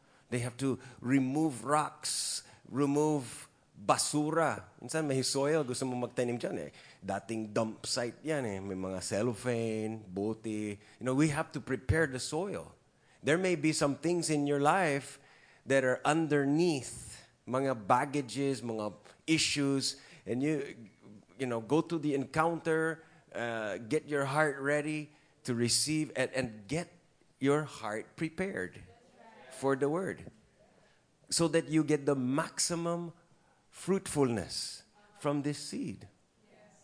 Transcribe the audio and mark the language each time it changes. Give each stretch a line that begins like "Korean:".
English: They have to remove rocks, remove basura.
Filipino: Minsan may soil, gusto mo magtanim dyan eh. Dating dump site yan eh. May mga cellophane, buti.
English: You know, we have to prepare the soil. There may be some things in your life that are underneath, mga baggages, mga issues, and you know, go to the encounter, get your heart ready to receive, and get your heart prepared for the word so that you get the maximum fruitfulness from this seed. Yes.